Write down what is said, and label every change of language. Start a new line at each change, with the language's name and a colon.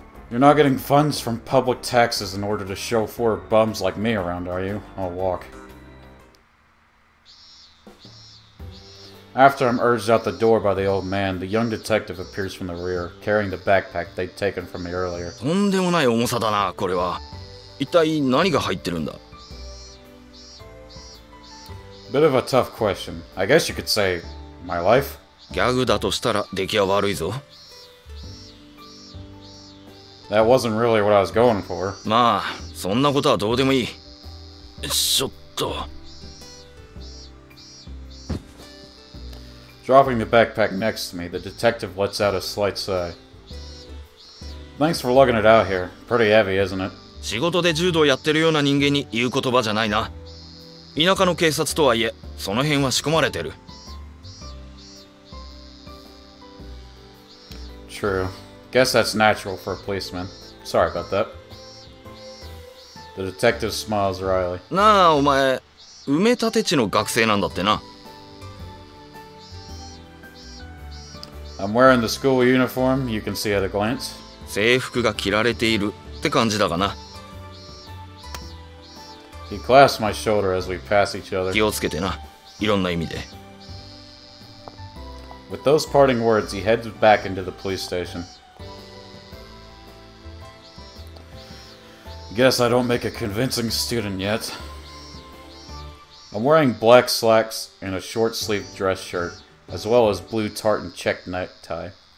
English: You're not getting funds from public taxes in order to show four bums like me around, are you? I'll walk. After I'm urged out the door by the old man, the young detective appears from the rear, carrying the backpack they'd taken from me earlier.
Japanese: とんでもない重さだな、これは。一体何が入ってるんだ?
English: Bit of a tough question. I guess you could say, my life?
Japanese: ギャグだとしたら出来は悪いぞ。
English: That wasn't really what I was going for.
Japanese: まあ、そんなことはどうでもいい。ちょっと。
English: Dropping the backpack next to me, the detective lets out a slight sigh. Thanks for lugging it out here. Pretty heavy, isn't it?
Japanese: 仕事で柔道やってるような人間に言う言葉じゃないな。田舎の警察とはいえ、その辺は仕込まれてる。
English: True. Guess that's natural for a policeman. Sorry about that. The detective smiles wryly.
Japanese: なあ、お前、埋め立て地の学生なんだってな。
English: I'm wearing the school uniform, you can see at a glance.
Japanese: 制服が着られているって感じだがな。
English: He clasps my shoulder as we pass each other.
Japanese: 気をつけてな、いろんな意味で。
English: With those parting words, he heads back into the police station. Guess I don't make a convincing student yet. I'm wearing black slacks and a short-sleeved dress shirt, as well as blue tartan checked necktie.